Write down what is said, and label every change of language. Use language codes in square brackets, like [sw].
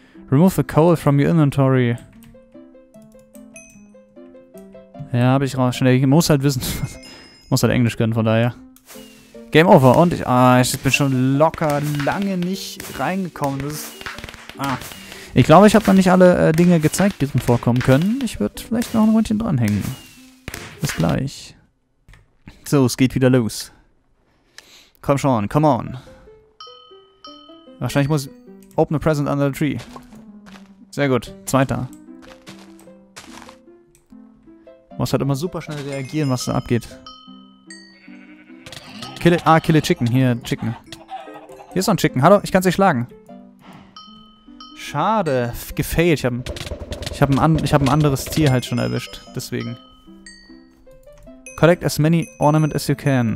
[en] Remove the coal from your inventory. [de] Ja, habe ich raus. Schnell. Ich muss halt wissen. Muss halt Englisch können, von daher. [en] Game over. [de] Und ich. Ich bin schon locker lange nicht reingekommen. Das ist. Ich glaube, ich habe noch nicht alle Dinge gezeigt, die drin vorkommen können. Ich würde vielleicht noch ein Rundchen dranhängen. Bis gleich. So, es geht wieder los. Komm schon, [en] come on. [de] Wahrscheinlich muss ich. [en] Open a present under the tree. [de] Sehr gut. Zweiter. Muss halt immer super schnell reagieren, was da abgeht. [en] Kill a Chicken. [de] Hier, Chicken. Hier ist noch ein Chicken. Hallo, ich kann's nicht schlagen. Schade. Gefailt. Ich hab ein anderes Tier halt schon erwischt. Deswegen. [en] Collect as many ornament as you can.